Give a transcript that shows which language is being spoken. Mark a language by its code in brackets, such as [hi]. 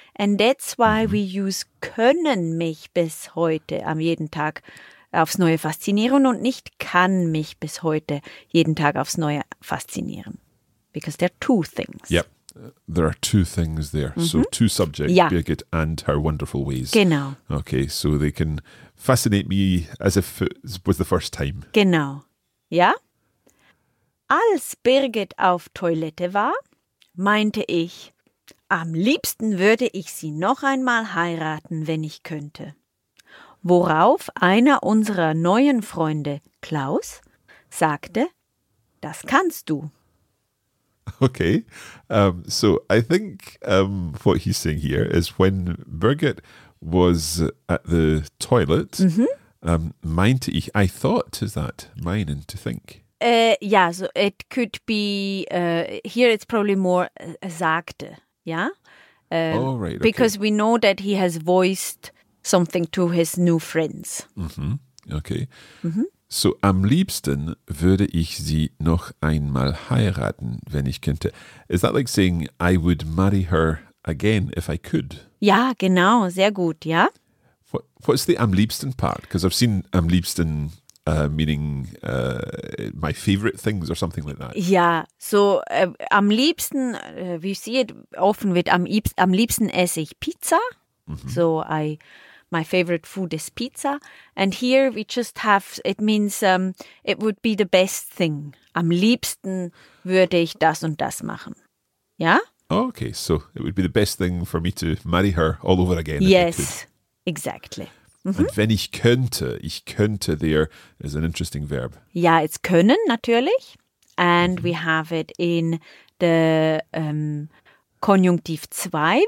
[en] And that's why we use [de] können mich bis heute am jeden Tag aufs Neue faszinieren und nicht kann mich bis heute jeden Tag aufs Neue faszinieren. [en] Because there are two things. Yep, there are two things there. Mm-hmm. So two subjects, [de] ja. [en] Birgit and her wonderful ways. [de] Genau. [en] Okay, so they can fascinate me as if it was the first time. [de] Genau, ja. Als Birgit auf Toilette war, meinte ich, am liebsten würde ich sie noch einmal heiraten, wenn ich könnte. Worauf einer unserer neuen Freunde, Klaus, sagte, das kannst du. [en] Okay, so I think what he's saying here is when Birgit was at the toilet, [de] meinte ich, [en] I thought, is that meinen, to think? Yeah, so it could be, here it's probably more sagte, yeah? Oh, right, because okay. We know that he has voiced something to his new friends. Mm-hmm. Okay. Mm-hmm. [de] So, am liebsten würde ich sie noch einmal heiraten, wenn ich könnte. [en] Is that like saying, I would marry her again if I could? [de] Ja, genau. Sehr gut, ja. [en] What's the am liebsten part? Because I've seen am liebsten meaning my favorite things or something like that. Yeah, so am liebsten, we see it often with [de] am liebsten esse ich Pizza. [en] So my favorite food is pizza. And here we just have, it means it would be the best thing. [de] Am liebsten würde ich das und das machen. [en] Yeah? Okay, so it would be the best thing for me to marry her all over again. Yes, exactly. Mm-hmm. And [de] wenn ich könnte [en] there is an interesting verb. Yeah, it's können, natürlich. And we have it in the Konjunktiv 2.